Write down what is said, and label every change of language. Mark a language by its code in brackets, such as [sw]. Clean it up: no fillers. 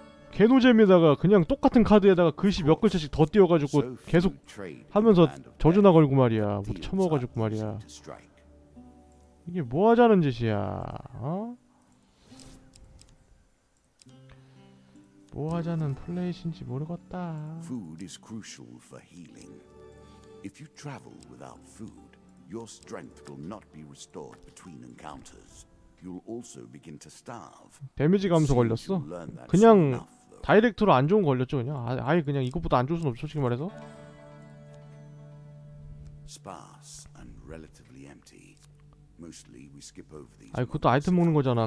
[ko] 개노잼에다가 그냥 똑같은 카드에다가 글씨 몇 글자씩 더 띄워가지고 계속 하면서 저주나 걸고 말이야. 못 처먹어가지고 말이야. 이게 뭐 하자는 짓이야. 어? 뭐 하자는 플레이신지 모르겠다. [en] Food is crucial for healing. If you travel without food, your strength will not be restored between encounters. You'll also begin to starve. [ko] 데미지 감소 걸렸어. 그냥 다이렉트로 안 좋은 거 걸렸죠 그냥. 아예 그냥 이것보다 안 좋을 순 없죠 솔직히 말해서. [en] Sparse and relatively empty. Mostly we skip over these. [ko] 아이 그것도 아이템 먹는 거잖아.